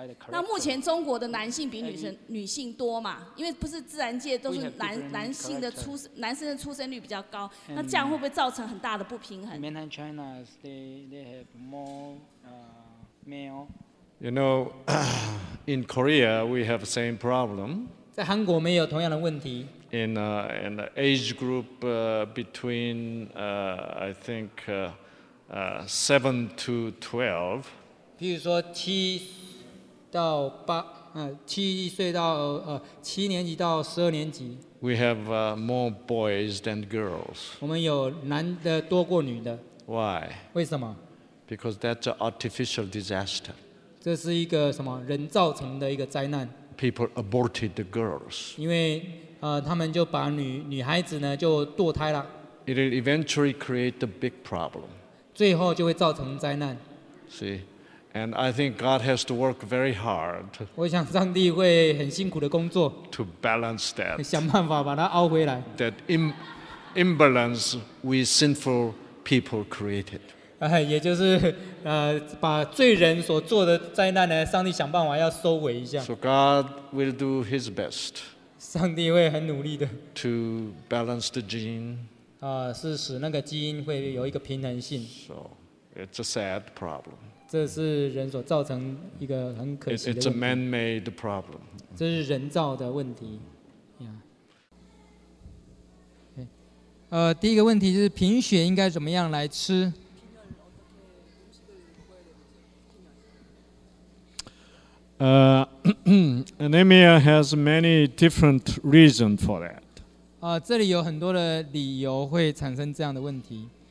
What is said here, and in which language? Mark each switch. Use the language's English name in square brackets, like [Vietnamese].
[Chinese] 那目前中国的男性比女性多嘛？因为不是自然界都是男性的男生的出生率比较高，那这样会不会造成很大的不平衡 [English] ？Mainland China, they have more male. You know, in Korea, we have the same problem. [Chinese] 在韩国，我们也有同样的问题。 [English] In the age group between I think 7 to 12. [Chinese] 比如说七到八，七岁到七年级到十二年级。 [English] We have more boys than girls. [Chinese] 我们有男的多过女的。 [English] Why? [Chinese] 为什么 [English] ？Because that's an artificial disaster. [Chinese] 这是一个什么人造成的一个灾难 [English] ？People aborted the girls. [Chinese] 因为他们就把女孩子呢就堕胎了。 [English] It will eventually create a big problem. [Chinese] 最后就会造成灾难。 [English] See. And I think God has to work very hard. [Chinese] 我想上帝会很辛苦的工作。 [English] To balance that. [Chinese] 想办法把它凹回来。 [English] That imbalance we sinful people created. [Chinese] 也就是把罪人所做的灾难呢，上帝想办法要收回一下。 [English] So God will do His best. [Chinese] 上帝会很努力的。 [English] To balance the gene. [Chinese] 是使那个基因会有一个平衡性。 [English] So it's a sad problem. [Chinese] 这是人所造成一个很可惜的问题。 [English] It's a man-made problem. [Chinese] 这是人造的问题。第一个问题就是贫血应该怎么样来吃？ [English] Anemia has many different reasons for that. [Chinese] 这里有很多的理由会产生这样的问题。